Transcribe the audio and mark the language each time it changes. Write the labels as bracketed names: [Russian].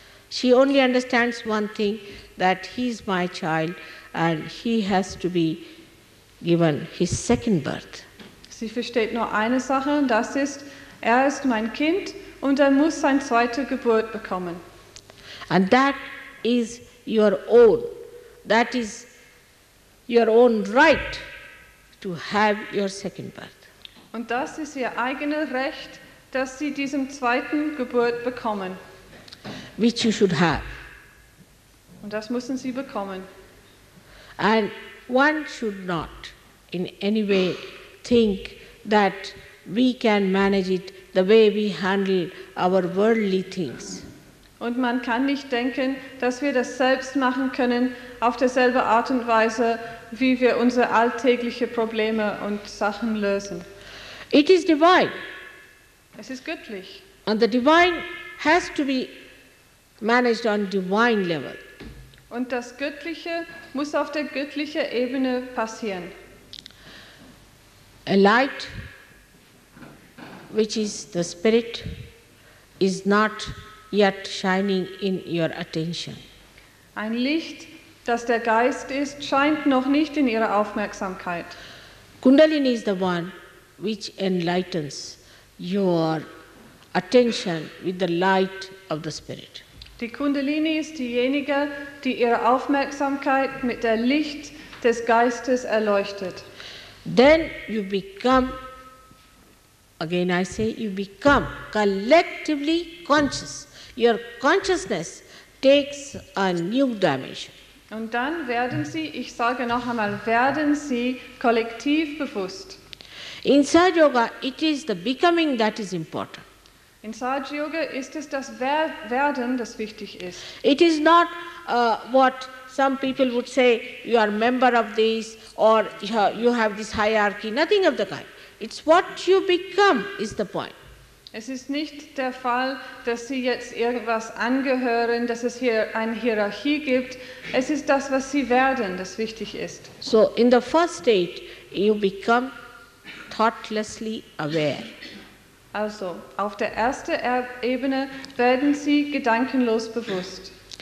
[English] She only understands one thing, that he is my child and he has to be given his second birth. [German] Sie versteht nur eine Sache, und das ist, er ist mein Kind und er muss seine zweite Geburt bekommen. [English] And that is your own. That is your own right to have your second birth. [German] Und das ist ihr eigenes Recht, dass sie diesem zweiten Geburt bekommen. [English] Which you should have. [German] Und das müssen sie bekommen. [English] And one should not in any way think that we can manage it the way we handle our worldly things. [German] Und man kann nicht denken, dass wir das selbst machen können auf derselbe Art und Weise, wie wir unsere alltäglichen Probleme und Sachen lösen. [English] It is divine. [German] Es ist göttlich. [English] And the divine has to be managed on divine level. [German] Und das Göttliche muss auf der göttlichen Ebene passieren. [English] A light, which is the spirit, is not yet shining in your attention. [German] Ein Licht, das der Geist ist, scheint noch nicht in Ihrer Aufmerksamkeit. [English] Kundalini is the one which enlightens your attention with the light of the spirit. [German] Die Kundalini ist diejenige, die ihre Aufmerksamkeit mit der Licht des Geistes erleuchtet. [English] Then you become, again I say, you become collectively conscious. Your consciousness takes a new dimension. [German] Und dann werden Sie, ich sage noch einmal, werden Sie kollektiv bewusst. [English] Inside Yoga, it is the becoming that is important. [German] Inside Yoga ist es das Werden, das wichtig ist. [English] It is not what some people would say, you are a member of this, or you have this hierarchy, nothing of the kind. It's what you become is the point. [German] Es ist nicht der Fall, dass Sie jetzt irgendwas angehören, dass es hier eine Hierarchie gibt. Es ist das, was Sie werden, das wichtig ist. [English] So in the first state, you become thoughtlessly aware. [German] Also, auf der ersten Ebene werden Sie gedankenlos bewusst.